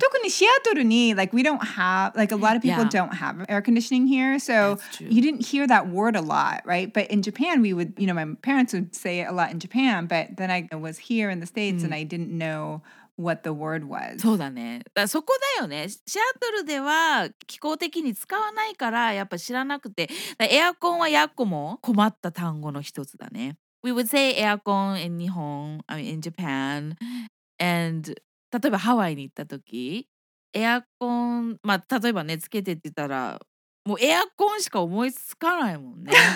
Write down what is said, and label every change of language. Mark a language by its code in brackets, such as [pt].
[ja] 特にシアトルに [en] like we don't have like a lot of people、yeah. don't have air conditioning here, so you didn't hear that word a lot, right? But in Japan, we would, you know, my parents would say it a lot in Japan, but then I was here in the States、mm. and I didn't know. What the word was. [ja] そうだね。だそこだよね。シアトルでは気候的に使わないからやっぱ知らなくて。だエアコンはやっこも困った単語の一つだね。 [en] We would say エアコン in [ja] 日本, [en] I mean in Japan. [ja] And 例えばハワイに行った時、エアコン、まあ例えばね、つけてって言ったら、もうエアコンしか思いつかないもんね。